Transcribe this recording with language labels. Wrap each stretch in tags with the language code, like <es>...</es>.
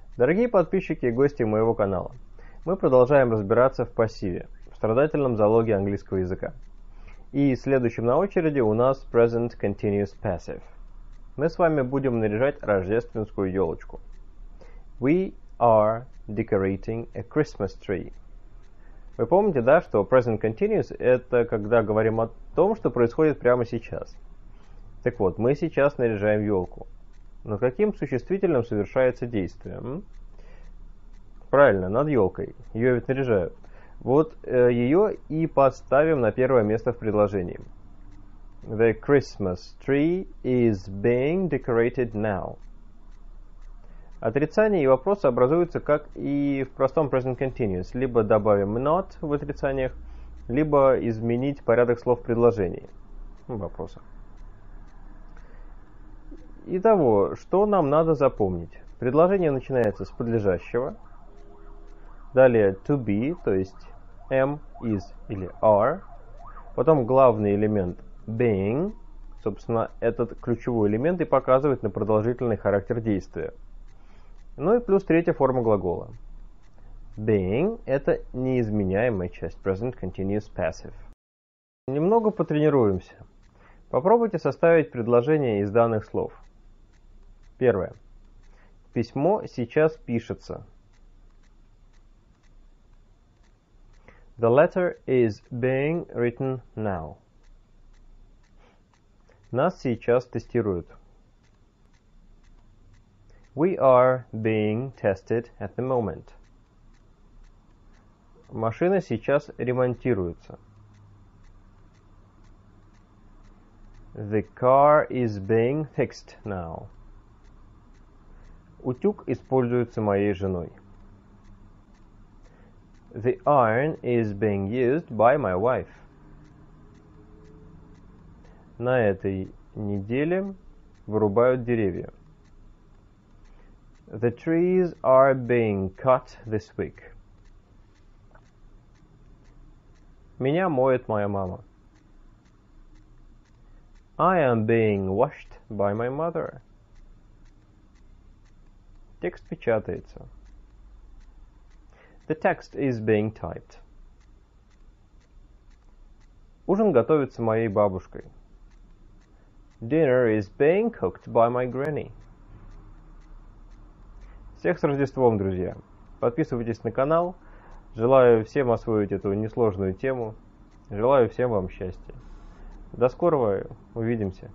<ru>Дорогие подписчики и гости моего канала, мы продолжаем разбираться в пассиве, в страдательном залоге английского языка. И следующим на очереди у нас Present Continuous Passive. Мы с вами будем наряжать рождественскую елочку.</ru> <en>We are decorating a Christmas tree.</en> <ru>Вы помните, да, что Present Continuous – это когда говорим о том, что происходит прямо сейчас. Так вот, мы сейчас наряжаем елку. Но каким существительным совершается действие? Правильно, над елкой. Ее ведь наряжают. Вот ее и поставим на первое место в предложении.</ru> <en>The Christmas tree is being decorated now.</en> <ru>Отрицание и вопросы образуются, как и в простом present continuous. Либо добавим not в отрицаниях, либо изменить порядок слов предложений. Вопроса. Итого, что нам надо запомнить? Предложение начинается с подлежащего. Далее to be, то есть am, is или are. Потом главный элемент being. Собственно, этот ключевой элемент и показывает на продолжительный характер действия. Ну и плюс третья форма глагола. Being – это неизменяемая часть present continuous passive. Немного потренируемся. Попробуйте составить предложение из данных слов. Первое. Письмо сейчас пишется.</ru> <en>The letter is being written now.</en> <ru>Нас сейчас тестируют.</ru> <en>We are being tested at the moment.</en> <ru>Машина сейчас ремонтируется.</ru> <en>The car is being fixed now.</en> <ru>Утюг используется моей женой.</ru> <en>The iron is being used by my wife.</en> <ru>На этой неделе вырубают деревья.</ru> <en>The trees are being cut this week.</en> <ru>Меня моет моя мама.</ru> <en>I am being washed by my mother.</en> <ru>Текст печатается.</ru> <en>The text is being typed.</en> <ru>Ужин готовится моей бабушкой.</ru> <en>Dinner is being cooked by my granny.</en> <ru>Всех с Рождеством, друзья! Подписывайтесь на канал. Желаю всем освоить эту несложную тему. Желаю всем вам счастья. До скорого. Увидимся.</ru>